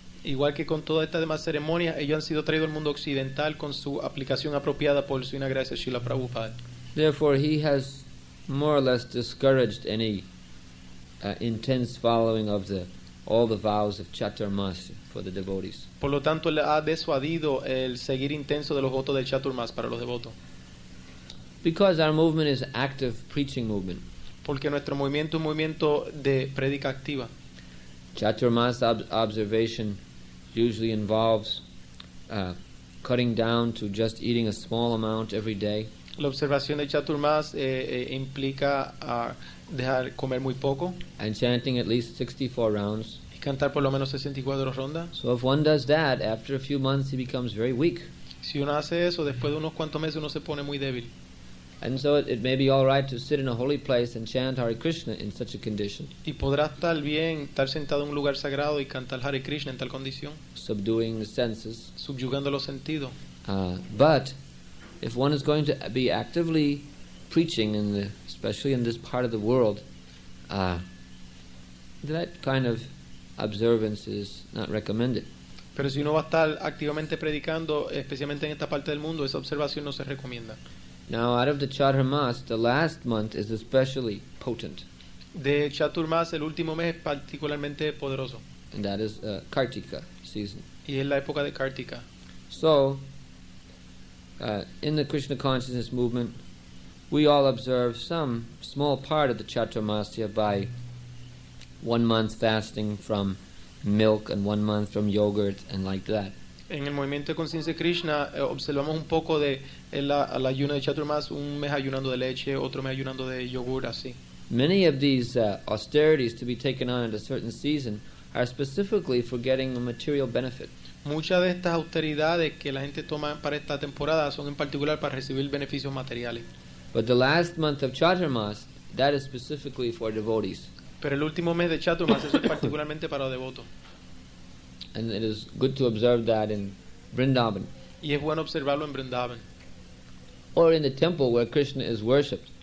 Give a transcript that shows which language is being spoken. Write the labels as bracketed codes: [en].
[es] Igual que con todas estas demás ceremonias, ellos han sido traídos al mundo occidental con su aplicación apropiada por Su Gracia Srila Prabhupada. [en] Therefore, he has more or less discouraged any intense following of all the vows of Chaturmasya for the devotees. [es] Por lo tanto, le ha desuadido el seguir intenso de los votos de Chaturmas para los devotos. [en] Because our movement is active preaching movement. [es] Porque nuestro movimiento es un movimiento de predica activa. [en] Chaturmas observation usually involves cutting down to just eating a small amount every day. [es] La observación de Chaturmas implica dejar comer muy poco. [en] And chanting at least 64 rounds. [es] Y cantar por lo menos 64 rondas. [en] So if one does that, after a few months he becomes very weak. [es] Si uno hace eso, después de unos cuantos meses uno se pone muy débil. [en] And so it may be all right to sit in a holy place and chant Hare Krishna in such a condition. [es] Y podrá estar bien estar sentado en un lugar sagrado y cantar Hare Krishna en tal condición. [en] Subduing the senses. [es] Subyugando los sentidos. [en] But if one is going to be actively preaching in the, especially in this part of the world, that kind of observance is not recommended. [es] Pero si uno va a estar activamente predicando, especialmente en esta parte del mundo, esa observación no se recomienda. [en] Now, out of the Chaturmas, the last month is especially potent. [es] De Chaturmas, el último mes es particularmente poderoso. [en] And that is Kartika season. [es] Y es la época de Kartika. [en] So, in the Krishna consciousness movement, we all observe some small part of the Chaturmasya by 1 month fasting from milk and 1 month from yogurt and like that. [es] En el movimiento de conciencia de Krishna observamos un poco de el ayuno de Chaturmas, un mes ayunando de leche, otro mes ayunando de yogur, así. [en] Many of these austerities to be taken on at a certain season are specifically for getting a material benefit. [es] Muchas de estas austeridades que la gente toma para esta temporada son en particular para recibir beneficios materiales. [en] But the last month of Chaturmas, that is specifically for devotees. [es] Pero el último mes de Chaturmas es particularmente para los devotos. [en] And it is good to observe that in Vrindavan. [es] Y es bueno observarlo en Vrindavan. [en] Or in the temple where Krishna is worshipped.